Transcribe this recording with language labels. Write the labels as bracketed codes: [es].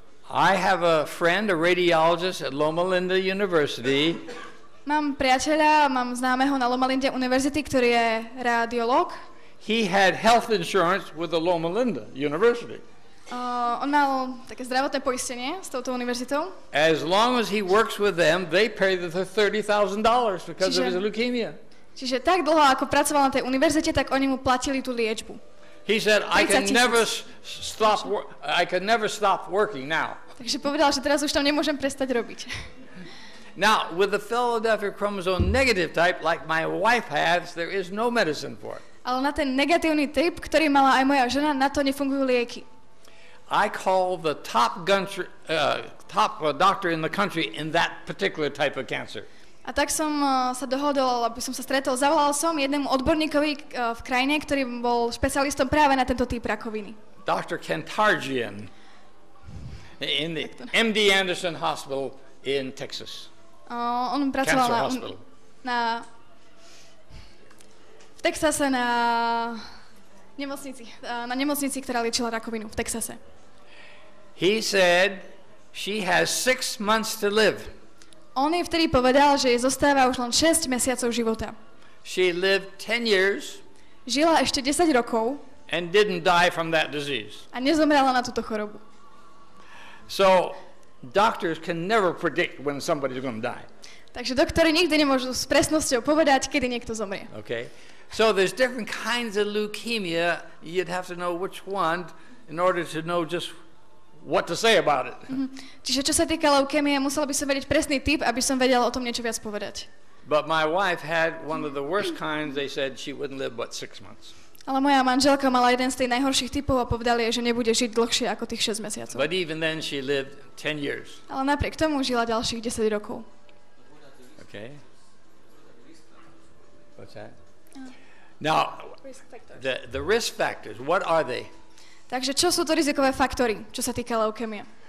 [en] I have a friend, a radiologist at Loma Linda University. [sk] Mám priateľa, mám známeho na Loma Linda University, ktorý je radiológ. [en] He had health insurance with the Loma Linda University. [sk] On mal také zdravotné poistenie s touto univerzitou. [en] As long as he works with them, they pay the $30,000 because of his leukemia. [sk] Čiže tak dlho, ako pracoval na tej univerzite, tak oni mu platili tú liečbu. [en] He said, I can never stop working now. [sk] Takže povedal, že teraz už tam nemôžem prestať robiť. [en] Now, with the Philadelphia chromosome negative type, like my wife has, there is no medicine for it. [sk] Ale na ten negatívny typ, ktorý mala aj moja žena, na to nefungujú lieky. [en] I call the top doctor in the country in that particular type of cancer. [sk] A tak som sa dohodol, aby som sa stretol. Zavolal som jednému odborníkovi v krajine, ktorý bol špecialistom práve na tento typ rakoviny. [en] Dr. Kentarjian in the MD Anderson Hospital in Texas. [sk] On pracoval na v Texase na nemocnici, na nemocnici, ktorá liečila rakovinu v Texase. [en] He said she has 6 months to live. [sk] On jej vtedy povedal, že jej zostáva už len 6 mesiacov života. [en] She lived 10 years. [sk] Žila ešte 10 rokov. [en] And didn't die from that disease. [sk] A nezomrela na túto chorobu. [en] So doctors can never predict when somebody's going to die. [sk] Takže doktori nikdy nemôžu s presnosťou povedať, kedy niekto zomrie. [en] Okay. So there's different kinds of leukemia. You'd have to know which one in order to know just what to say about it. [sk] Čiže čo sa týka leukémie, musel by som vedieť presný typ, aby som vedel o tom niečo viac povedať. [en] But my wife had one of the worst kinds. They said she wouldn't live but 6 months. [sk] Ale moja manželka mala jeden z tých najhorších typov a povedali jej, že nebude žiť dlhšie ako tých 6 mesiacov. [en] But even then she lived 10 years. [sk] Ale napriek tomu žila ďalších 10 rokov. [en] Okay. What's that? Now, the risk factors, what are they? [sk] Takže čo sú to rizikové faktory, čo sa týka leukémie?